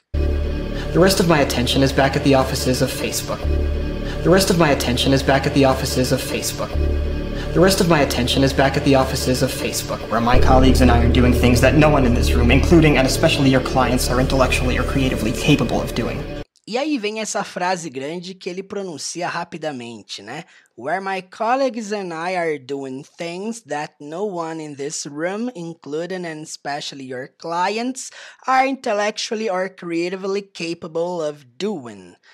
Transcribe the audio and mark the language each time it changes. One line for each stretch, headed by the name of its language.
English: The rest of my attention is back at the offices of Facebook. The rest of my attention is back at the offices of Facebook. The rest of my attention is back at the offices of Facebook, where my colleagues and I are doing things that no one in this room, including and especially your clients, are intellectually or creatively capable of doing.
Portuguese: E aí vem essa frase grande que ele pronuncia rapidamente, né?
English: Where my colleagues and I are doing things that no one in this room, including and especially your clients, are intellectually or creatively capable of doing.